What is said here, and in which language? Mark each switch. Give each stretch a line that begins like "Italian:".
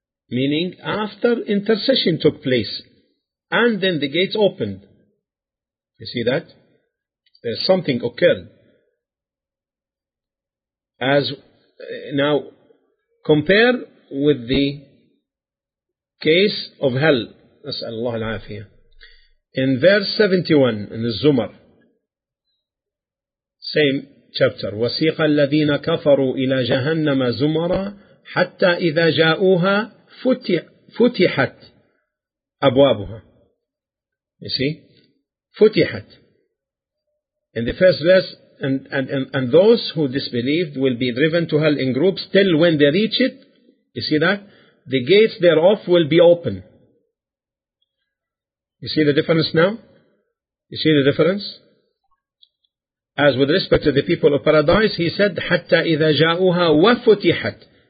English: Meaning, after intercession took place, and then the gates opened. You see that? There is something occurred. As now, compare with the case of hell.
Arabic: Nas'al Allah al-afiyah.
English: In verse 71 in the Zumar, same chapter,
Arabic: وَسِيقَ الَّذِينَ كَفَرُوا إِلَى جَهَنَّمَ زُمَرًا حَتَّى إِذَا جَاءُوهَا فُتِحَتْ أَبْوَابُهَا.
English: You see? فُتِحَتْ. In the first verse, and those who disbelieved will be driven to hell in groups till when they reach it. You see that? The gates thereof will be open. You see the difference now? You see the difference? As with respect to the people of paradise, he said,
Arabic: حَتَّى إِذَا جَاءُهَا وَفُتِحَتْ.